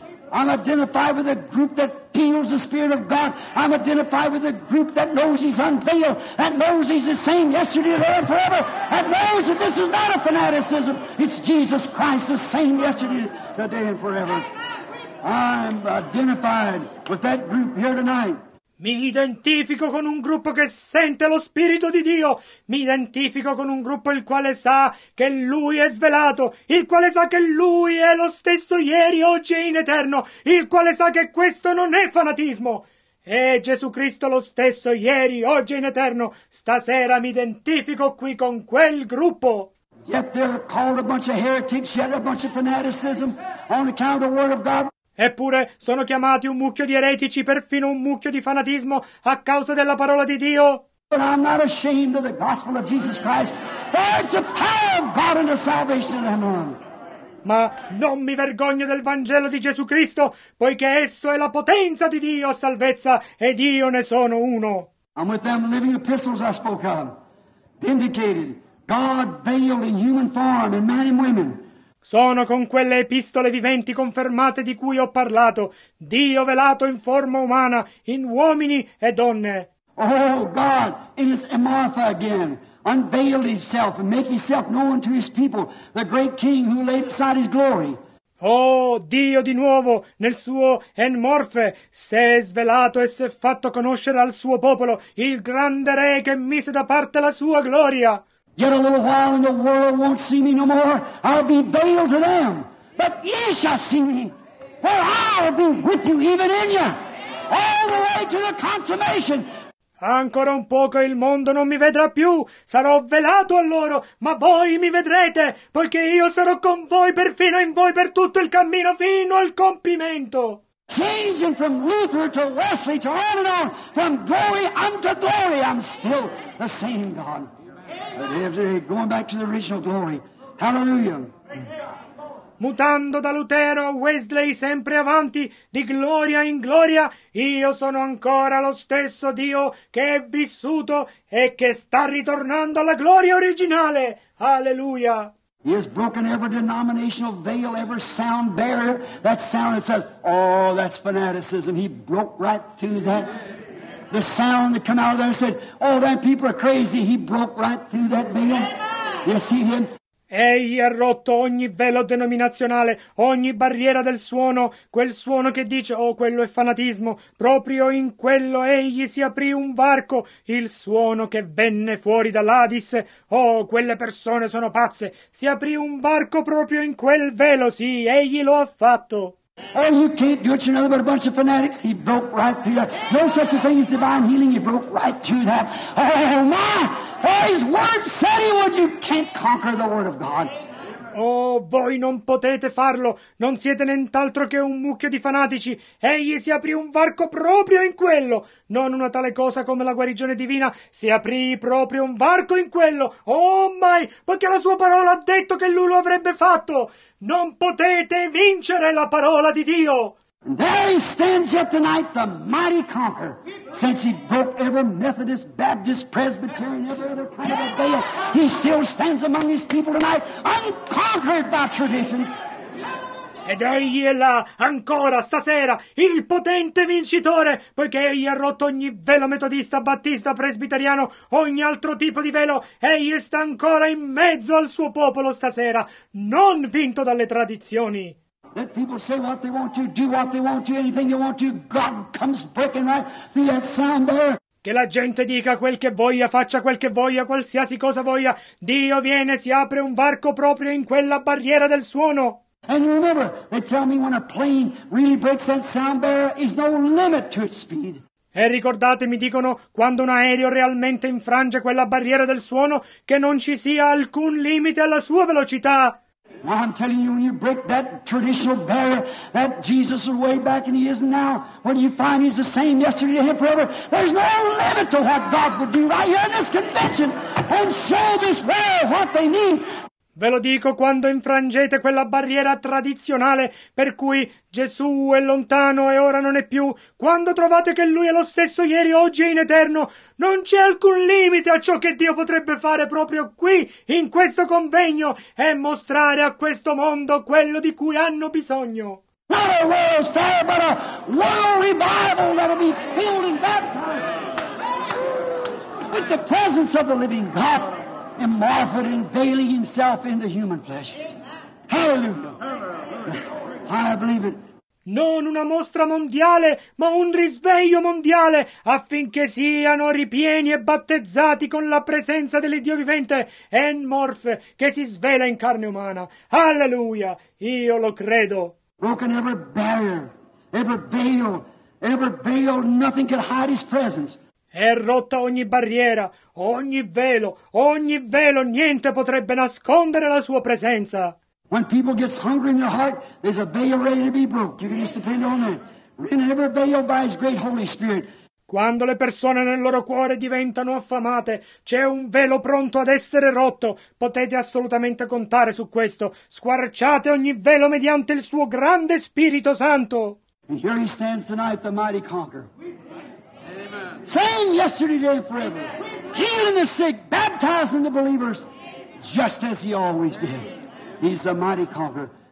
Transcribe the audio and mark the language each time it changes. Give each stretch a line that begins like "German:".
English: I'm identified with a group that feels the Spirit of God. I'm identified with a group that knows He's unveiled, that knows He's the same yesterday, today, and forever, that knows that this is not a fanaticism. It's Jesus Christ, the same yesterday, today, and forever. I'm identified with that group here tonight.
Italian: Mi identifico con un gruppo che sente lo Spirito di Dio. Mi identifico con un gruppo il quale sa che Lui è svelato. Il quale sa che Lui è lo stesso ieri, oggi e in eterno. Il quale sa che questo non è fanatismo. È Gesù Cristo lo stesso ieri, oggi e in eterno. Stasera mi identifico qui con quel gruppo.
English: Yet they're called a bunch of heretics, yet a bunch of fanaticism on account of the word of God.
Italian: Eppure sono chiamati un mucchio di eretici, perfino un mucchio di fanatismo a causa della parola di Dio.
English: But I'm not ashamed of the gospel of Jesus Christ, for it's the power of God and the salvation of them all.
Italian: Ma non mi vergogno del Vangelo di Gesù Cristo, poiché esso è la potenza di Dio a salvezza, ed io ne sono uno.
English: I'm with them living epistles I spoke of, vindicated, God veiled in human form, in men and women.
Italian: Sono con quelle epistole viventi confermate di cui ho parlato, Dio velato in forma umana, in uomini e donne.
English: Oh, God, in His Martha again, unveiled Himself and make Himself known to His people, the great King who laid aside His glory.
Italian: Oh, Dio di nuovo, nel suo En Morphe, si è svelato e si è fatto conoscere al suo popolo, il grande Re che mise da parte la sua gloria.
English: Yet a little while and the world won't see me no more. I'll be veiled to them. But ye shall see me. For I'll be with you, even in you. All the way to the consummation.
Italian: Ancora un poco il mondo non mi vedrà più, sarò velato a loro, ma voi mi vedrete, poiché io sarò con voi perfino in voi per tutto il cammino fino al compimento.
English: Changing from Luther to Wesley to on and on, from glory unto glory, I'm still the same God. Going back to the original glory. Hallelujah.
Italian: Mutando da Lutero a Wesley, sempre avanti, di gloria in gloria, io sono ancora lo stesso Dio che è vissuto e che sta ritornando alla gloria originale. Alleluia!
English: He has broken every denominational veil, every sound barrier. That sound that says, oh, that's fanaticism. He broke right through that. The sound that came out of there said, oh, that people are crazy. He broke right through that veil. Yes, he did.
Italian: Egli ha rotto ogni velo denominazionale, ogni barriera del suono, quel suono che dice, oh, quello è fanatismo. Proprio in quello egli si aprì un varco, il suono che venne fuori dall'Hadis, oh, quelle persone sono pazze. Si aprì un varco proprio in quel velo, sì, egli lo ha fatto.
English: Oh, you can't do it, you're nothing but a bunch of fanatics. He broke right through that. No such a thing as divine healing. He broke right through that. Oh, my! For his word said he would. You can't conquer the word of God.
Italian: Oh, voi non potete farlo. Non siete nient'altro che un mucchio di fanatici. Egli si aprì un varco proprio in quello. Non una tale cosa come la guarigione divina. Si aprì proprio un varco in quello. Oh, mai! Poiché la sua parola ha detto che lui lo avrebbe fatto. Non potete vincere la parola di Dio.
English: And there he stands yet tonight, the mighty conqueror. Since he broke every Methodist, Baptist, Presbyterian, every other kind of a veil, he still stands among his people tonight, unconquered by traditions.
Italian: Ed egli è là, ancora, stasera, il potente vincitore, poiché egli ha rotto ogni velo metodista, battista, presbiteriano, ogni altro tipo di velo, egli sta ancora in mezzo al suo popolo stasera, non vinto dalle tradizioni.
English: Let people say what they want to, do what they want to, anything they want to, God comes breaking right through that sound there.
Italian: Che la gente dica quel che voglia, faccia quel che voglia, qualsiasi cosa voglia, Dio viene, si apre un varco proprio in quella barriera del suono.
English: And remember, they tell me when a plane really breaks that sound barrier, is no limit to its speed.
Italian: E ricordate, mi dicono, quando un aereo realmente infrange quella barriera del suono, che non ci sia alcun limite alla sua velocità.
English: Well, I'm telling you, when you break that traditional barrier, that Jesus is way back and he is now, when you find he's the same yesterday and forever, there's no limit to what God would do right here in this convention and show this world what they need.
Italian: Ve lo dico, quando infrangete quella barriera tradizionale per cui Gesù è lontano e ora non è più, quando trovate che Lui è lo stesso ieri, oggi e in eterno, non c'è alcun limite a ciò che Dio potrebbe fare proprio qui, in questo convegno, e mostrare a questo mondo quello di cui hanno bisogno.
English: Not a world's fair, but a world revival that'll be filled and baptized with the presence of the living God. And Marfa and veiling himself into human flesh. Hallelujah. I believe it.
Italian: Non una mostra mondiale, ma un risveglio mondiale, affinché siano ripieni e battezzati con la presenza dell'Iddio vivente, en morfe, che si svela in carne umana. Alleluia! Io lo credo.
English: Broken every barrier, every veil, nothing can hide his presence.
Italian: È rotta ogni barriera, ogni velo, niente potrebbe nascondere la sua presenza.
English: When people gets hungry in their heart, there's a veil ready to be broke. You can just depend on that. Rend every veil by his great Holy Spirit.
Italian: Quando le persone nel loro cuore diventano affamate, c'è un velo pronto ad essere rotto. Potete assolutamente contare su questo. Squarciate ogni velo mediante il suo grande Spirito Santo.
English: And here he stands tonight, the mighty conqueror. Same yesterday, today, and forever. Healing the sick, baptizing the believers, just as he always did. He's the mighty conqueror.